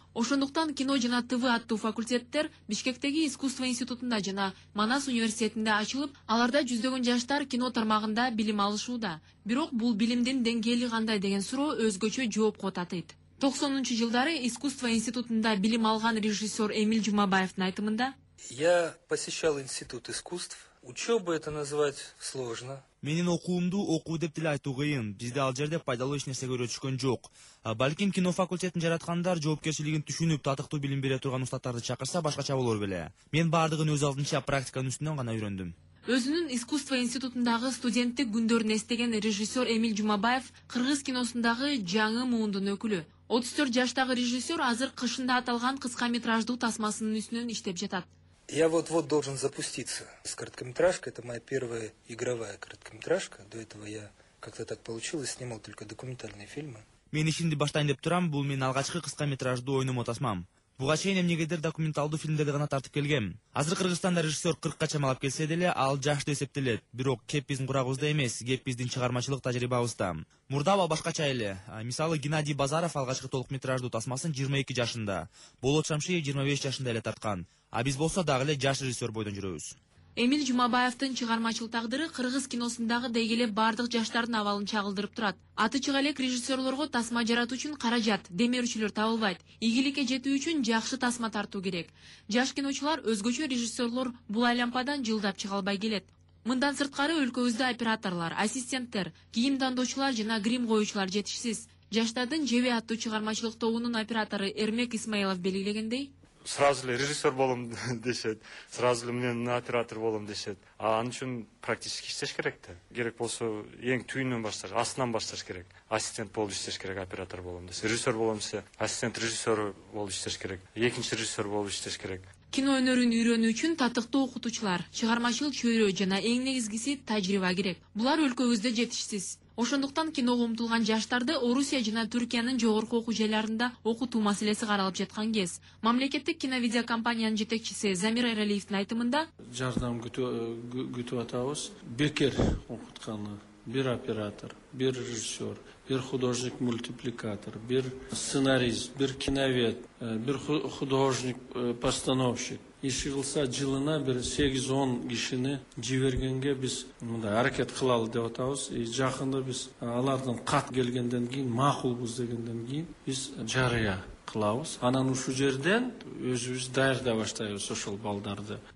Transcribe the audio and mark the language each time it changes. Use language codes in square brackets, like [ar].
[ky] Ошондуктан кино жана ТВ аттуу факультеттер Бишкектеги искусство институтунда жана Манас университетинде ачылып, аларда жүздөгөн жаштар кино тармагында билим алышууда. Бирок бул билимдин деңгээли кандай деген суроо өзгөчө жоопко татыйт. 90-жылдары искусство институтунда билим алган режиссер Эмиль Жумабаевдин айтымында: [ru] Я посещал институт искусств. Учёба это назвать сложно. [ky] Менин окуумду окуу деп деле айтуу кыйын. Бизде ал жерде пайдалуу эч нерсе көрсөтүшкөн жок. А балким кино факультетин жараткандар жоопкерчилигин түшүнүп, татыктуу билим бере турган устаттарды чакырса башкача болор беле. Мен бардыгын өз алдынча практиканын үстүнөн гана үйрөндүм. Өзүнүн искусство институтундагы студенттик күндөрүн эстеген режиссер Эмиль Жумабаев кыргыз киносундагы жаңы муундун өкүлү. 34 жаштагы режиссер азыр кышында аталган кыска метраждуу тасмасынын үстүнөн иштеп жатат. [ru] Я вот-вот должен запуститься с короткометражкой. Это моя первая игровая короткометражка. До этого я как-то так получилось, снимал только документальные фильмы. [ky] Мен ишинди баштайын деп турам, бул менин алгачкы кыска метраждуу ойнум отасмам. Буга чейин эмнегедир документалдуу фильмдерди гана тартып келгем. Азыр Кыргызстанда режиссер 40 чамалап келсе деле ал жаш деп эсептелет. Бирок кеп биздин курагыбызда эмес, кеп биздин чыгармачылык тажрыйбабызда. Мурда ал башкача эле. Мисалы Геннадий Базаров алгачкы толук метраждуу тасмасын 22 жашында, Болот Шамшиев 25 жашында эле тарткан. А биз болсо дагы эле жаш режиссер бойдон жүрөбүз. Эмил Жумабаевдин чыгармачыл тагдыры кыргыз киносундагы дегеле бардык жаштардын абалын чагылдырып турат. Аты чыга элек режиссерлорго тасма жаратуу үчүн каражат, демерүүчүлөр табылбайт. Ийгиликке жетүү үчүн жакшы тасма тартуу керек. Жаш киночулар, өзгөчө режиссерлор бул айлампадан жылдап чыга албай келет. Мындан сырткары өлкөбүздө операторлор, ассистенттер, кийимдандоочулар жана грим коюучулар жетишсиз. Жаштардын жебе аттуу чыгармачылык тобунун оператору Эрмек Исмаилов белгилегендей, сразу эле режиссер болом дешет, сразу эле мен оператор болом дешет. А аны үчүн практически иштеш керек да. Керек болсо эң түйүнүн башташ, астынан башташ керек. Ассистент болуп иштеш керек, оператор болом десе. Режиссер болом десе, ассистент режиссер болуп иштеш керек. Экинчи режиссер болуп иштеш керек. Кино өнөрүн үйрөнүү үчүн татыктуу окутуучулар, чыгармачыл чөйрө жана эң негизгиси тажрыйба керек. Булар өлкөбүздө жетишсиз. Ошондуктан киного умтулган жаштарды Орусия жана Түркиянын жогорку окуу жайларында окутуу маселеси каралып жаткан кез. Мамлекеттик киновидеокомпаниянын жетекчиси Замир Эралиевдин айтымында, жардам күтүп атабыз. Бекер окутканы, бир оператор, бир режиссер, бир художник мультипликатор, бир сценарист, бир киновед, бир художник постановщик. Иши кылса жылына бир 8-10 кишини жибергенге биз мындай аракет кылалы деп атабыз. И жакында биз алардын кат келгенден кийин, макулбуз дегенден кийин биз жарыя кылабыз. Анан ушул жерден өзүбүз даярдай баштайбыз ошол балдарды.